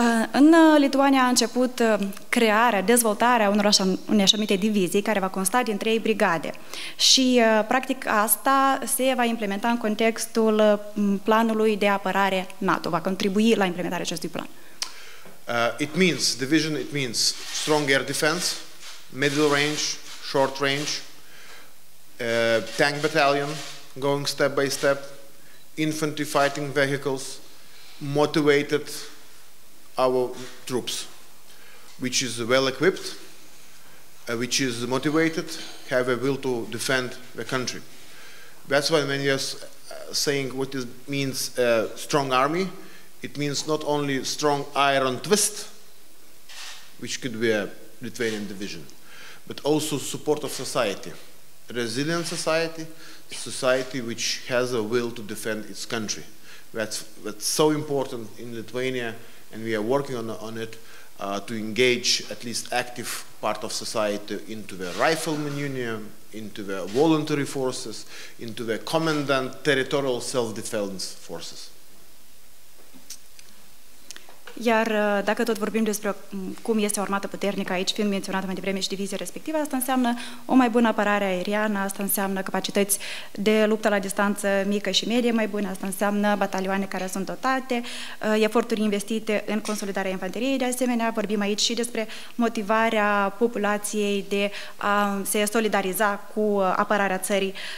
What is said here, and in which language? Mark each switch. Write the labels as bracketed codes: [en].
[ro] În Lituania a început crearea, dezvoltarea unei așa numite divizii care va consta din 3 brigade. Și practic asta se va implementa în contextul planului de apărare NATO, va contribui la implementarea acestui plan. [en] It means strong air defense, middle range, short range, tank battalion going step by step, infantry fighting vehicles, motivated our troops, which is well equipped, which is motivated, have a will to defend the country. That's why when you're saying what it means a strong army, it means not only strong iron twist, which could be a Lithuanian division, but also support of society, a resilient society, society which has a will to defend its country. That's so important in Lithuania, and we are working on it to engage at least active part of society into the rifleman union, into the voluntary forces, into the commandant territorial self-defense forces. [ro] Iar dacă tot vorbim despre cum este o armată puternică aici, fiind menționată mai devreme și divizia respectivă, asta înseamnă o mai bună apărare aeriană, asta înseamnă capacități de luptă la distanță mică și medie mai bune, asta înseamnă batalioane care sunt dotate, eforturi investite în consolidarea infanteriei. De asemenea, vorbim aici și despre motivarea populației de a se solidariza cu apărarea țării.